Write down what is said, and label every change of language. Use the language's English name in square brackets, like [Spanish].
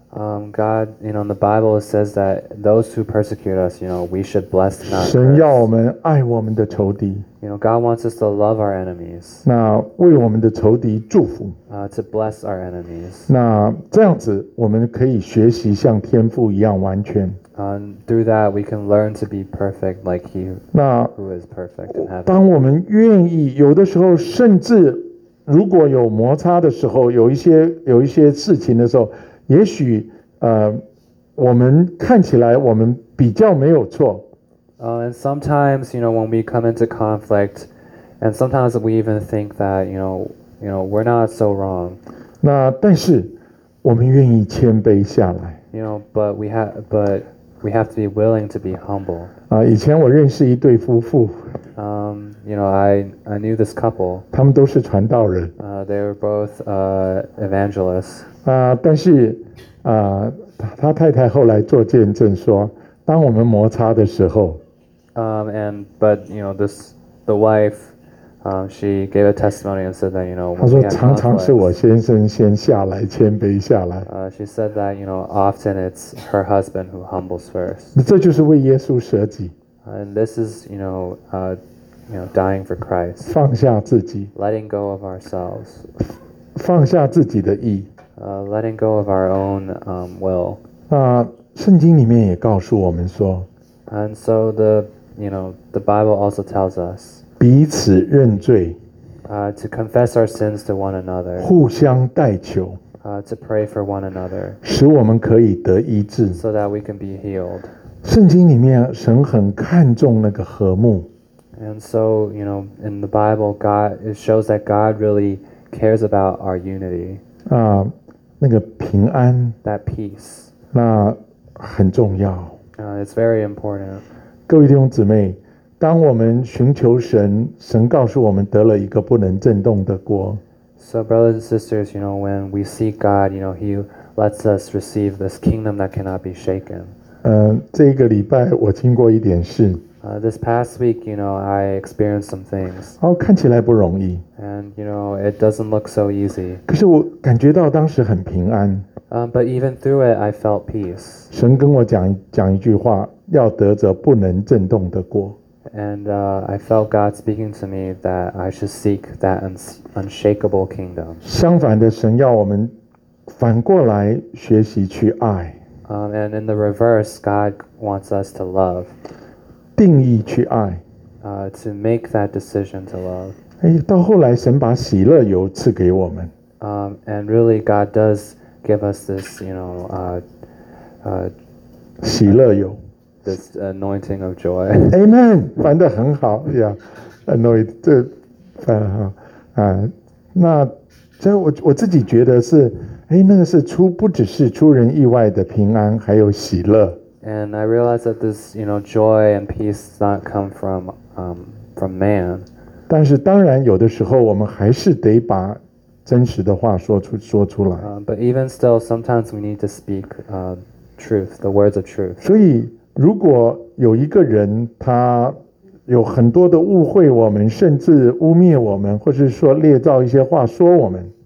[English] God, you know, the Bible says that those who persecute us, you know, we should bless not curse. [Chinese] 神要我们爱我们的仇敌。 [English] You know, God wants us to love our enemies. [Chinese] 那为我们的仇敌祝福。 [English] To bless our enemies. [Chinese] 那这样子，我们可以学习像天父一样完全。 [English] Through that, we can learn to be perfect like He, who is perfect in heaven. [Chinese] 当我们愿意，有的时候甚至如果有摩擦的时候，有一些事情的时候，也许我们看起来我们比较没有错。 [English] And sometimes, you know, when we come into conflict, And sometimes we even think that, you know, we're not so wrong. [Chinese] 那但是我们愿意谦卑下来。 [English] You know, but we have to be willing to be humble. [Chinese] 以前我认识一对夫妇。 [English] You know, I knew this couple. [Chinese] 他们都是传道人。 [English] They were both evangelists. [Chinese] 但是他太太后来做见证说，当我们摩擦的时候。 [English] But the wife,she gave a testimony and said that, you know, [Chinese] 她说常常是我先生先下来谦卑下来。 [English] She said that, you know, often it's her husband who humbles first. [Chinese] 这就是为耶稣舍己。 [English] And this is, you know, dying for Christ. [Chinese] 放下自己。 [English] Letting go of ourselves. [Chinese] 放下自己的意。 [English] Letting go of our own will. [Chinese] 那圣经里面也告诉我们说。 [English] And so the Bible also tells us. [Chinese] 彼此认罪 [English] to confess our sins to one another, [Chinese] 互相代求 [English] to pray for one another, [Chinese] 使我们可以得医治 [English] so that we can be healed. [Chinese] 圣经里面神很看重那个和睦 [English] And so, you know, in the Bible, it shows that God really cares about our unity. [Chinese] 那个平安 [English] that peace. [Chinese] 那很重要 [English] It's very important. [Chinese] 各位弟兄姊妹当我们寻求神，神告诉我们得了一个不能震动的国。 [English] So brothers and sisters, you know, when we seek God, you know, He lets us receive this kingdom that cannot be shaken. [Chinese] 这个礼拜我经过一点事。 [English] This past week, you know, I experienced some things. [Chinese] 看起来不容易。 [English] And you know, it doesn't look so easy. [Chinese] 可是我感觉到当时很平安。 [English] But even through it, I felt peace. [Chinese] 神跟我讲一句话，要得着不能震动的国。 [English] And I felt God speaking to me that I should seek that unshakable kingdom. [Chinese] 相反的，神要我们反过来学习去爱。 [English] And in the reverse, God wants us to love. [Chinese] 定义去爱。 [English] To make that decision to love. [Chinese] 到后来，神把喜乐油赐给我们。 [English] And really, God does give us this, you know, [Chinese] 喜乐油。 [English] This anointing of joy. [Chinese] Amen. 翻得很好 ，Yeah. Anoint 这翻得很好那这我自己觉得是，那个是出不只是出人意外的平安，还有喜乐。 [English] And I realize that this, you know, joy and peace does not come from man. [Chinese] 但是当然，有的时候我们还是得把真实的话说出来。 [English] But even still, sometimes we need to speak truth, the words of truth. [Chinese] 所以。如果有一个人他有很多的误会我们甚至污蔑我们或是说捏造一些话说我们。